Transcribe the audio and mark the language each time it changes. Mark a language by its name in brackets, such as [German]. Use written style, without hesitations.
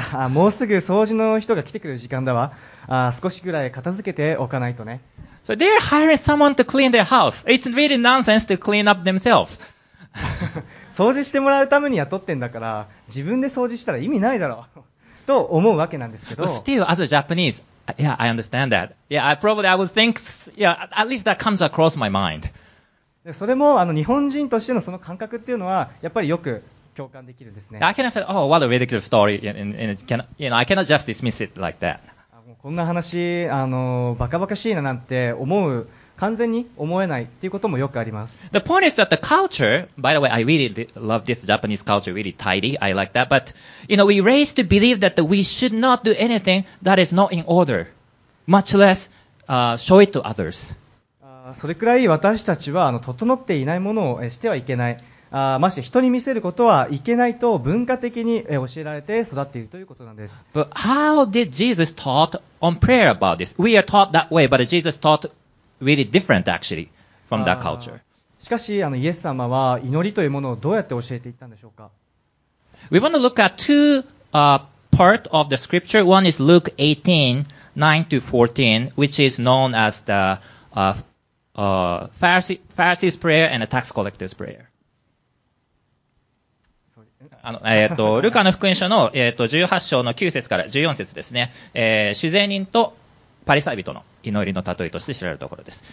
[Japanese] もうすぐ掃除の人が来てくる時間だわ。少しぐらい片付けておかないとね。 [English] So they're hiring someone to clean their house. It's really nonsense to clean up themselves. [Japanese] 掃除してもらうために雇ってんだから、自分で掃除したら意味ないだろう。と思うわけなんですけど。 [English] But still, as a Japanese,Yeah, I understand that. Yeah, I probably I would think, yeah, at least that comes across my mind. [Japanese] それも日本人としてのその感覚っていうのはやっぱりよく共感できるんですね。 [English] I cannot say, oh, what a ridiculous story, and I cannot just dismiss it like that. [Japanese] こんな話バカバカしいななんて思う完全に思えないっていうこともよくあります。 [English] The point is that the culture, by the way, I really love this Japanese culture, really tidy, I like that, but you know, we raised to believe that we should not do anything that is not in order, much less, show it to others. [Japanese] それくらい私たちは整っていないものをしてはいけない。まして人に見せることはいけないと文化的に教えられて育っているということなんです。 [English] But how did Jesus taught on prayer about this? We are taught that way, but Jesus taughtReally different, actually, from that culture. [Japanese] しかし、イエス様は祈りというものをどうやって教えていったんでしょうか? [English] We want to look at two, part of the scripture. One is Luke 18:9-14, which is known as the, Pharisee's prayer and the tax collector's prayer. [Japanese] ルカの福音書の、18章の9節から14節ですね。主税人とパリサイ人の祈りの例えとして知られるところです。